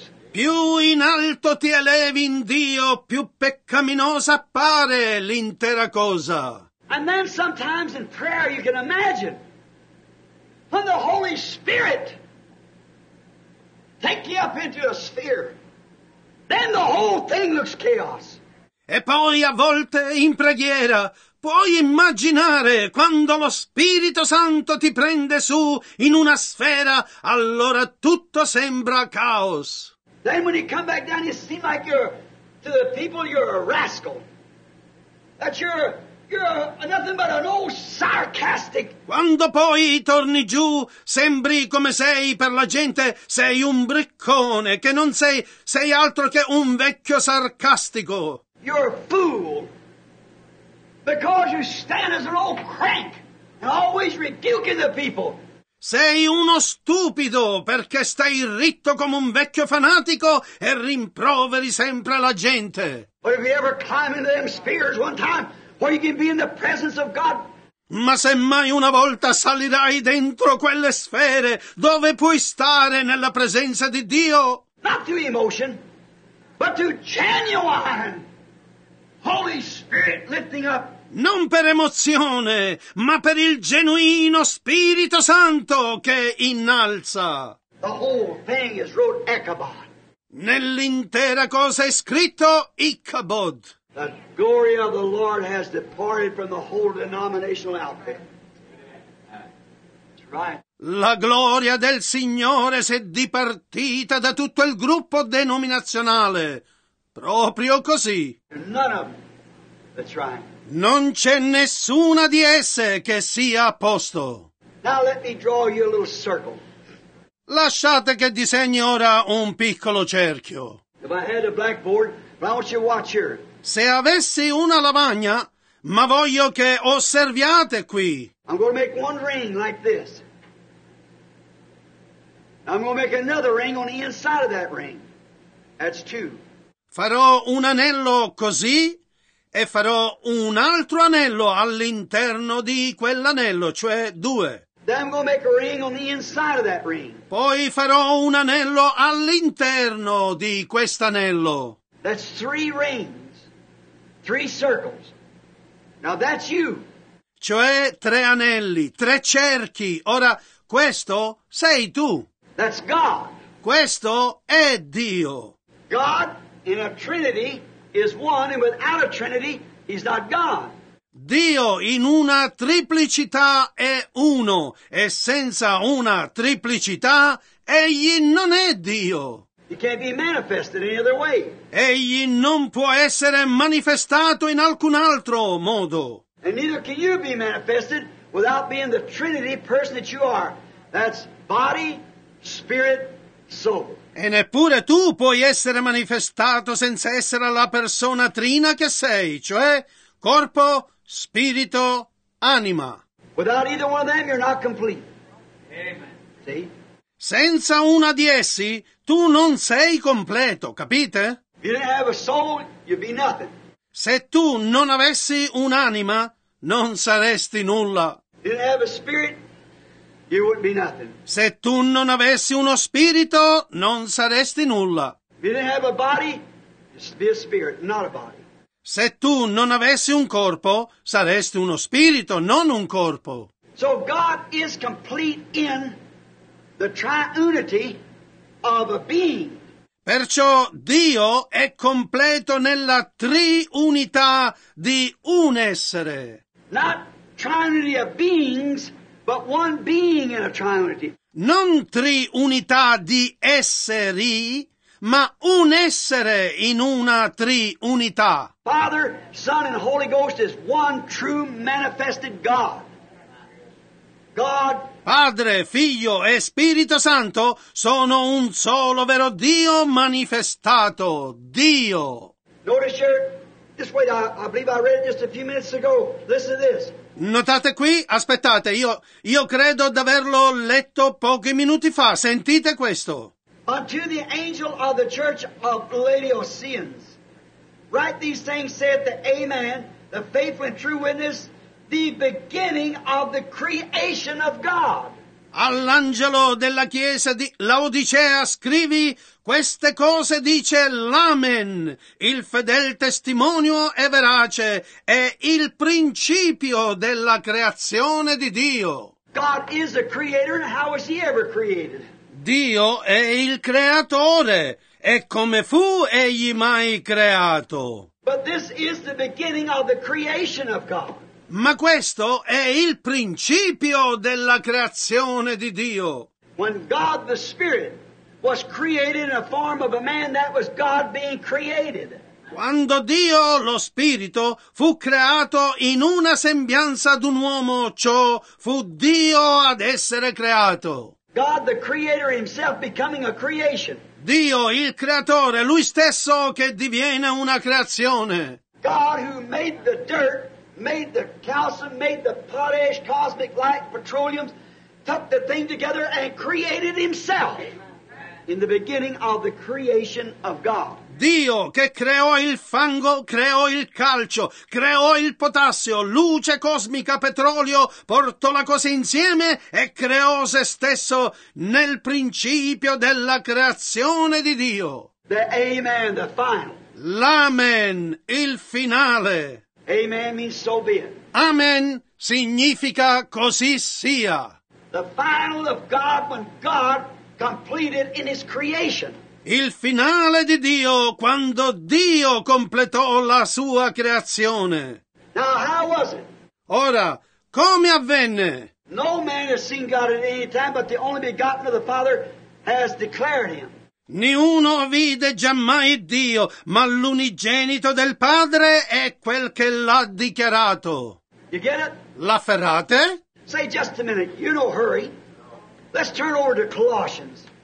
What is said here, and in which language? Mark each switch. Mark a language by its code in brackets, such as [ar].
[it] Più in alto ti elevi in Dio, più peccaminosa appare l'intera cosa. [en] And then sometimes in prayer you can imagine when the Holy Spirit take you up into a sphere. Then the whole thing looks chaos. [it] E poi a volte in preghiera Puoi immaginare quando lo Spirito Santo ti prende su in una sfera, allora tutto sembra caos. [en] Then when you come back down, you seem like you're to the people you're a rascal. That you're nothing but an old sarcastic. [it] Quando poi torni giù, sembri come sei per la gente, sei un briccone che non sei, sei altro che un vecchio sarcastico. [en] You're a fool. Because you stand as an old crank and always rebuking the people. [it] Sei uno stupido perché stai ritto come un vecchio fanatico e rimproveri sempre la gente. [en] But if you ever climb into them spears one time, where you can be in the presence of God. [it] Ma semmai una volta salirai dentro quelle sfere dove puoi stare nella presenza di Dio. [en] Not to emotion, but to genuine. Holy Spirit lifting up. [it] Non per emozione, ma per il genuino Spirito Santo che innalza. [en] The whole thing is wrote Ichabod. [it] Nell'intera cosa è scritto Ichabod. [en] The glory of the Lord has departed from the whole denominational outfit. [it] La gloria del Signore si è dipartita da tutto il gruppo denominazionale. Proprio così. [en] None of them. That's right. [it] Non c'è nessuna di esse che sia a posto. [en] Now let me draw you a little circle. [it] Lasciate che disegni ora un piccolo cerchio. [en] If I had a blackboard, but I want you to watch here. [it] Se avessi una lavagna, ma voglio che osserviate qui. [en] I'm going to make one ring like this. I'm going to make another ring on the inside of that ring. That's two. [it] Farò un anello così e farò un altro anello all'interno di quell'anello, cioè due. [en] Then I'm gonna make a ring on the inside of that ring. [it] Poi farò un anello all'interno di quest'anello. [en] That's three rings, three circles. Now that's you. [it] Cioè tre anelli, tre cerchi. Ora questo sei tu. [en] That's God. [it] Questo è Dio. [en] God in a Trinity is one, and without a Trinity, he's not God. [it] Dio in una triplicità è uno, e senza una triplicità, egli non è Dio. [en] He can't be manifested any other way. [it] Egli non può essere manifestato in alcun altro modo. [en] And neither can you be manifested without being the Trinity person that you are. That's body, spirit, soul. [it] E neppure tu puoi essere manifestato senza essere la persona trina che sei, cioè corpo, spirito, anima. [en] Without either one of them, you're not complete. Amen. See? [it] Senza una di essi, tu non sei completo, capite? [en] If you didn't have a soul, you'd be nothing. [it] Se tu non avessi un'anima, non saresti nulla. [en] If you didn't have a spirit, you wouldn't be nothing. [it] Se tu non avessi uno spirito, non saresti nulla. [en] If you didn't have a body, you'd be a spirit, not a body. [it] Se tu non avessi un corpo, saresti uno spirito, non un corpo. [en] So God is complete in the triunity of a being. [it] Perciò Dio è completo nella triunità di un essere. [en] Not triunity of beings. But one being in a triunity. [it] Non tri unità di esseri, ma un essere in una tri unità. [en] Father, Son, and Holy Ghost is one true manifested God. God. [it] Padre, Figlio e Spirito Santo sono un solo vero Dio manifestato. Dio. [en] Notice here, just wait, I believe I read it just a few minutes ago. Listen to this. [it] Notate qui, aspettate, io credo d'averlo letto pochi minuti fa, sentite questo. [en] Unto the angel of the church of Laodiceans, write these things, saith the Amen, the faithful and true witness, the beginning of the creation of God. [it] All'angelo della chiesa di Laodicea scrivi queste cose, dice l'Amen, il fedel testimonio e verace, è il principio della creazione di Dio. [en] God is a creator, and how was he ever created? [it] Dio è il creatore, e come fu egli mai creato? [en] But this is the beginning of the creation of God. [it] Ma questo è il principio della creazione di Dio. [en] When God the Spirit was created in a form of a man, that was God being created. [it] Quando Dio, lo Spirito, fu creato in una sembianza d'un uomo, ciò fu Dio ad essere creato. [en] God the Creator himself becoming a creation. [it] Dio, il Creatore, Lui stesso che diviene una creazione. [en] God who made the dirt, made the calcium, made the potash, cosmic light, petroleum, tucked the thing together and created himself in the beginning of the creation of God. [it] Dio che creò il fango, creò il calcio, creò il potassio, luce cosmica, petrolio, portò la cosa insieme e creò se stesso nel principio della creazione di Dio. [en] The amen, the final. [it] L'amen, il finale. [en] Amen means so be it. [it] Amen significa così sia. [en] The final of God when God completed in his creation. [it] Il finale di Dio quando Dio completò la sua creazione. [en] Now, how was it? [it] Ora, come avvenne? [en] No man has seen God at any time, but the only begotten of the Father has declared him. [it] Niuno vide giammai Dio, ma l'unigenito del Padre è quel che l'ha dichiarato. [en] You get it? [it] L'afferrate? [en] Say just a minute, you no hurry. Let's turn over to Colossians.